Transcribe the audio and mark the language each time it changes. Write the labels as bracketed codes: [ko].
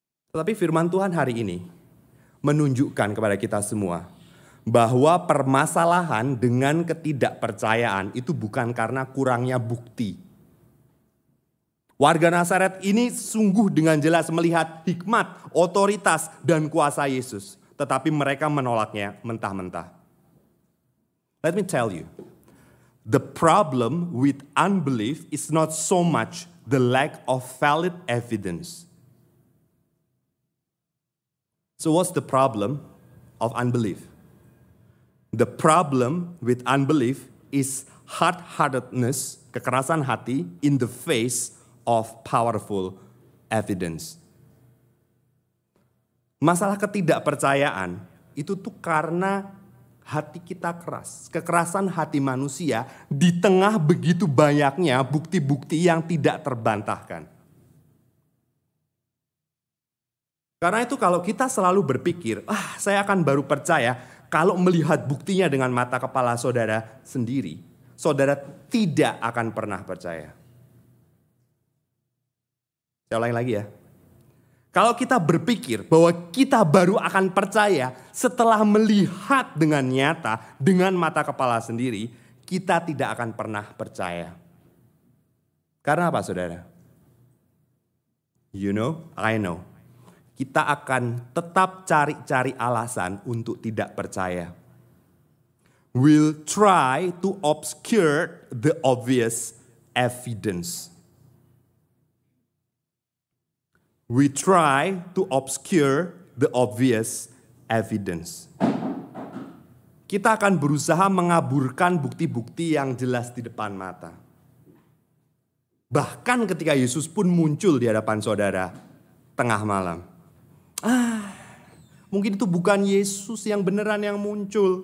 [id] Tetapi firman Tuhan hari ini menunjukkan kepada kita semua bahwa permasalahan dengan ketidakpercayaan itu bukan karena kurangnya bukti. Warga Nazaret ini sungguh dengan jelas melihat hikmat, otoritas, dan kuasa Yesus. Tetapi mereka menolaknya mentah-mentah. [en] Let me tell you, the problem with unbelief is not so much the lack of valid evidence. So what's the problem of unbelief? The problem with unbelief is hard-heartedness, [id] kekerasan hati, [en] in the face of powerful evidence. [id] Masalah ketidakpercayaan itu tuh karena hati kita keras, kekerasan hati manusia di tengah begitu banyaknya bukti-bukti yang tidak terbantahkan. Karena itu kalau kita selalu berpikir, saya akan baru percaya kalau melihat buktinya dengan mata kepala saudara sendiri, saudara tidak akan pernah percaya. Saya ulangi lagi ya. Kalau kita berpikir bahwa kita baru akan percaya setelah melihat dengan nyata, dengan mata kepala sendiri, kita tidak akan pernah percaya. Karena apa, saudara? [en] You know, I know. [id] Kita akan tetap cari-cari alasan untuk tidak percaya. [en] We'll try to obscure the obvious evidence. We try to obscure the obvious evidence. [id] Kita akan berusaha mengaburkan bukti-bukti yang jelas di depan mata. Bahkan ketika Yesus pun muncul di hadapan saudara tengah malam. Mungkin itu bukan Yesus yang beneran yang muncul.